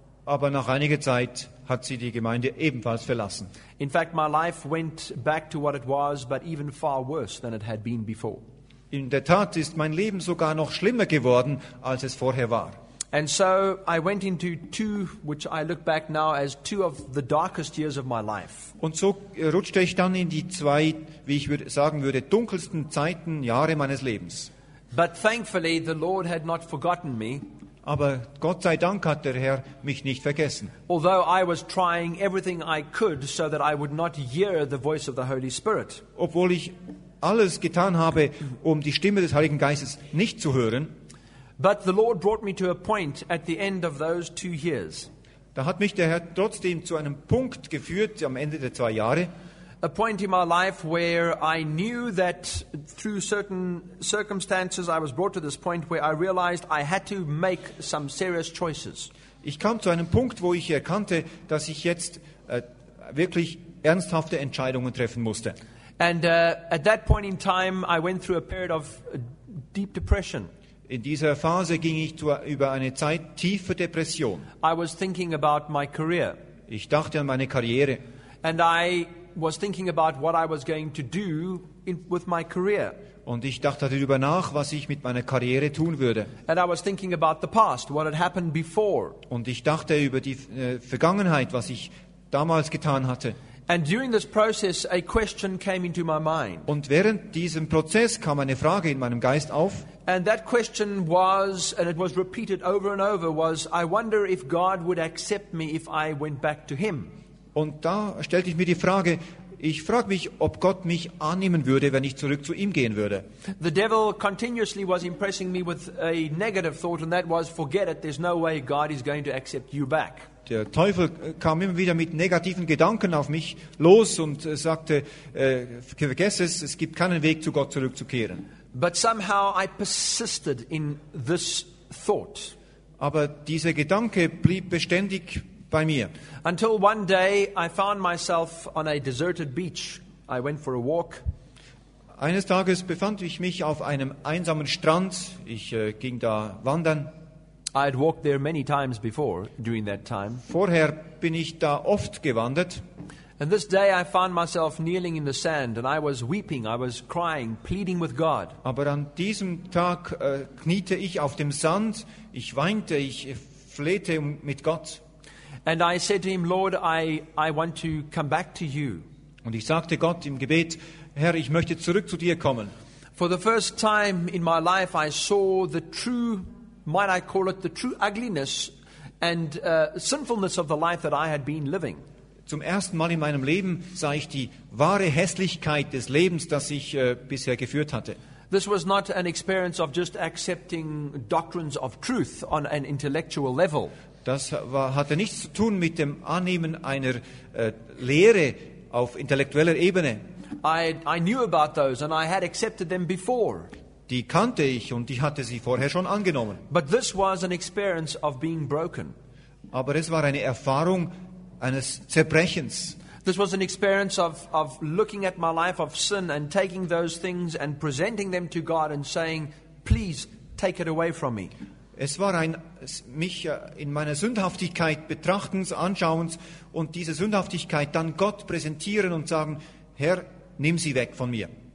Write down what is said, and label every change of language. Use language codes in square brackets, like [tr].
[de] Aber nach einiger Zeit hat sie die Gemeinde ebenfalls verlassen. [en] In fact, my life went back to what it was, but even far worse than it had been before. [de] In der Tat ist mein Leben sogar noch schlimmer geworden, als es vorher war. [en] And so I went into two, which I look back now as two of the darkest years of my life. [de] Und so rutschte ich dann in die zwei, wie ich sagen würde, dunkelsten Zeiten, Jahre meines Lebens. [en] But thankfully, the Lord had not forgotten me. [de] Aber Gott sei Dank hat der Herr mich nicht vergessen. [en] Although I was trying everything I could so that I would not hear the voice of the Holy Spirit. [de] Obwohl ich alles getan habe, um die Stimme des Heiligen Geistes nicht zu hören. [en] But the Lord brought me to a point at the end of those 2 years. [de] Da hat mich der Herr trotzdem zu einem Punkt geführt am Ende der 2 Jahre. [en] A point in my life where I knew that through certain circumstances I was brought to this point where I realized I had to make some serious choices. [de] Ich kam zu einem Punkt, wo ich erkannte, dass ich jetzt wirklich ernsthafte Entscheidungen treffen musste. [en] And at that point in time I went through a period of deep depression. [de] In dieser Phase ging ich über eine Zeit tiefer Depression. [en] I was thinking about my career. [de] Ich dachte an meine Karriere. [en] And I was thinking about what I was going to do with my career. [de] Und ich dachte darüber nach, was ich mit meiner Karriere tun würde. [en] And I was thinking about the past, what had happened before. [de] Und ich dachte über die Vergangenheit, was ich damals getan hatte. [en] And during this process, a question came into my mind. [de] Und während diesem Prozess kam eine Frage in meinem Geist auf. [en] And that question was, and it was repeated over and over, was, I wonder if God would accept me if I went back to Him. [de] Und da stellte ich mir die Frage, ich frage mich, ob Gott mich annehmen würde, wenn ich zurück zu ihm gehen würde. [en] The devil continuously was impressing me with a negative thought, and that was, forget it, there's no way God is going to accept you back. [de] Der Teufel kam immer wieder mit negativen Gedanken auf mich los und sagte, vergiss es, es gibt keinen Weg, zu Gott zurückzukehren. [en] But somehow I persisted in this thought. [de] Aber dieser Gedanke blieb beständig bei mir. [en] Until one day I found myself on a deserted beach. I went for a walk. [de] Eines Tages befand ich mich auf einem einsamen Strand. Ich ging da wandern. [en] I had walked there many times before during that time. [de] Vorher bin ich da oft gewandert. [en] And this day I found myself kneeling in the sand and I was weeping, I was crying, pleading with God. [de] Aber an diesem Tag kniete ich auf dem Sand, ich weinte, ich flehte mit Gott. [en] And I said to him, Lord, I want to come back to you. [de] Und ich sagte Gott im Gebet, Herr, ich möchte zurück zu dir kommen. [en] For the first time in my life I saw the true, might I call it, the true ugliness and sinfulness of the life that I had been living. [de] Zum ersten Mal in meinem Leben sah ich die wahre Hässlichkeit des Lebens, das ich bisher geführt hatte. [en] This was not an experience of just accepting doctrines of truth on an intellectual level. [de] Das hatte nichts zu tun mit dem Annehmen einer Lehre auf intellektueller Ebene. [en] I knew about those and I had accepted them before. [de] Die kannte ich und ich hatte sie vorher schon angenommen. [en] But this was an experience of being broken. [de] Aber es war eine Erfahrung eines Zerbrechens. [en] This was an experience of looking at my life of sin and taking those things and presenting them to God and saying, please take it away from me. [de] Es war ein mich in meiner Sündhaftigkeit betrachtens, anschauens und diese Sündhaftigkeit dann Gott präsentieren und sagen, Herr, nimm sie weg von mir.